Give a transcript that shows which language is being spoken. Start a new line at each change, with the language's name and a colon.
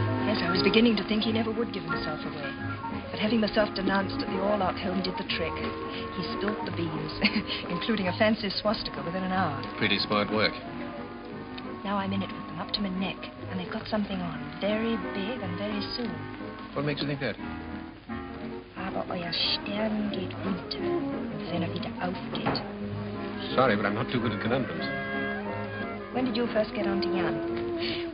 English: Yes, I was beginning to think he never would give himself away. But having myself denounced at the Orlock home did the trick. He spilt the beans, including a fancy swastika within an hour. Pretty smart work. Now I'm in it with them, up to my neck. And they've got something on, very big and very soon. What makes you think that?
German: Aber euer Stern geht unter, und wenn er wieder aufgeht.
English: Sorry, but I'm not too good at conundrums. When did you first get on to Jan?